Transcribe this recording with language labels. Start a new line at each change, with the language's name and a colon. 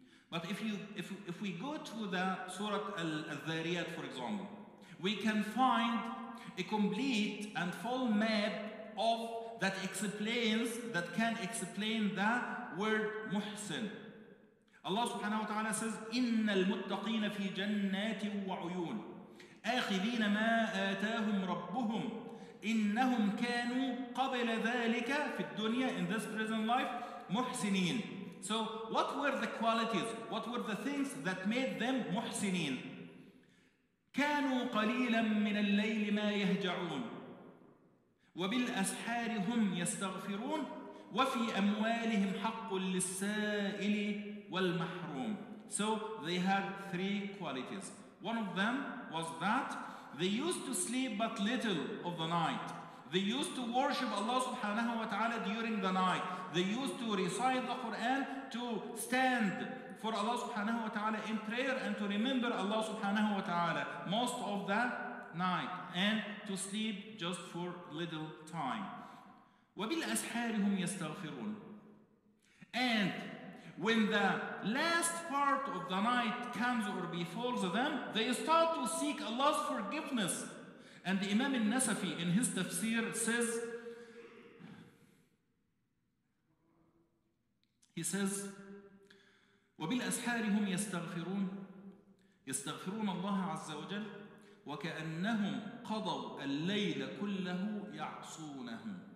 English: But if we go to the Surah Al-Dhariyat, for example, we can find a complete and full map of that can explain the word muhsin. Allah subhanahu wa ta'ala says,
Arabic: إِنَّ الْمُتَّقِينَ فِي جَنَّاتٍ وَعُيُونَ آخِذِينَ مَا آتَاهُمْ رَبُّهُمْ إِنَّهُمْ كَانُوا قَبْلَ ذَلِكَ فِي الدُّنْيَا
English: in this prison life,
Arabic: مُحْسِنِينَ.
English: So what were the qualities? What were the things that made them مُحْسِنِينَ?
Arabic: كَانُوا قَلِيلًا مِّنَ اللَّيْلِ مَا يَهْجَعُونَ وَبِالْأَسْحَارِ هُمْ يَسْتَغْفِرُونَ وَفِي أَمْوَالِهِمْ حَقٌّ لِلسَّائِلِ وَالْمَحْرُومِ.
English: So they had three qualities. One of them was that they used to sleep but little of the night. They used to worship Allah subhanahu wa ta'ala during the night. They used to recite the Quran, to stand for Allah subhanahu wa ta'ala in prayer and to remember Allah subhanahu wa ta'ala most of the night and to sleep just for little time.
Arabic: وَبِالْأَسْحَارِهُمْ يَسْتَغْفِرُونَ.
English: And when the last part of the night comes or befalls them, they start to seek Allah's forgiveness. And the Imam al-Nasafi in his tafsir says, he says,
Arabic: وَبِالْأَسْحَارِهُمْ يَسْتَغْفِرُونَ يَسْتَغْفِرُونَ اللَّهَ عَزَّ وَجَلْ وَكَأَنَّهُمْ قَضَوْا اللَّيْلَ كُلَّهُ يَعْصُونَهُمْ.